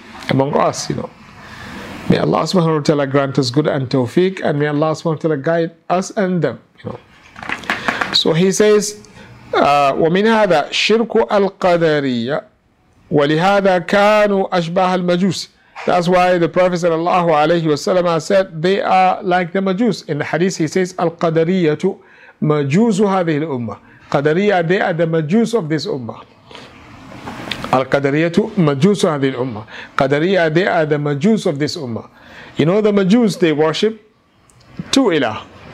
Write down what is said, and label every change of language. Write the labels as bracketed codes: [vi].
[en] Among us, you know. May Allah subhanahu wa ta'ala grant us good and tawfiq, and may Allah subhanahu wa ta'ala guide us and them, you know. [ar] So he says, وَمِنْ هَذَا شِرْكُ الْقَدَرِيَّ وَلِهَذَا كَانُوا أَشْبَاهَ الْمَجُوسِ. [en] That's why the Prophet sallallahu alayhi wasallam said they are like the Majus. In the hadith he says, [ar] Al-Qadariyatu Majusu hadhihi al-Ummah. [en] Qadariyah, they are the Majus of this Ummah. [ar] Al-Qadariyatu Majusu hadhihi al-Ummah. [en] Qadariyah, they are the Majus of this Ummah. You know the Majus, they worship two ilah.